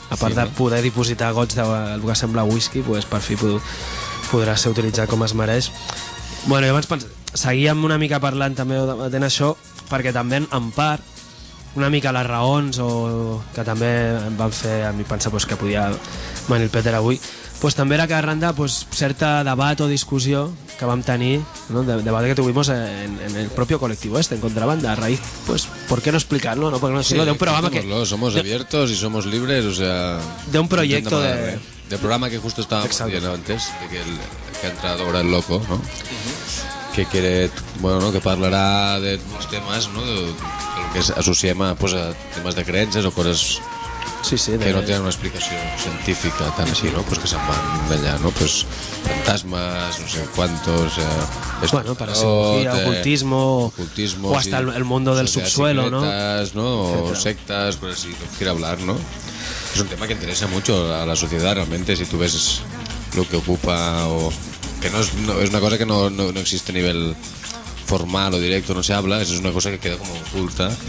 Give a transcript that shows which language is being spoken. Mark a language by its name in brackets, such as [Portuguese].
[Catalan] A part sí, de poder dipositar gots del que sembla whisky, pues, per fi podrà ser utilitzat com es mereix. Bueno, i abans pensem... Seguíem una mica parlant també d'atent això, perquè també en part una mica les raons o que també em van fer a mi pensar pues, que podia venir el Peter avui, pues, també era que arran de pues, certa debat o discussió que vam tenir, no? [Spanish] debat que tuvimos en el propio colectivo este, en Contrabanda, a raíz, pues, ¿por qué no explicarlo? ¿No? Porque no sí, de un programa que... Somos abiertos y somos libres, o sea... De un proyecto de... De programa que justo estábamos viendo antes, que ha entrado ahora el loco, ¿no? [Catalan] Uh-huh. [Spanish] Que quiere, [Catalan] bueno, ¿no?, que parlarà de molts temes, no?, de lo que associem a, pues, a temes de creences o coses sí, que no tenen una explicació científica tan així, no?, pues que se'n van d'allà, no?, pues fantasmes, no sé quantos... [Spanish] bueno, para psicología, ocultismo, o hasta el mundo del subsuelo, secretes, ¿no? ¿no? O sectes, pues así, quiere hablar, ¿no? Es un tema que interesa mucho a la sociedad, realmente, si tú ves... lo que ocupa o que no es, no, es una cosa que no, no, no existe a nivel formal o directo, no se habla, eso es una cosa que queda como oculta.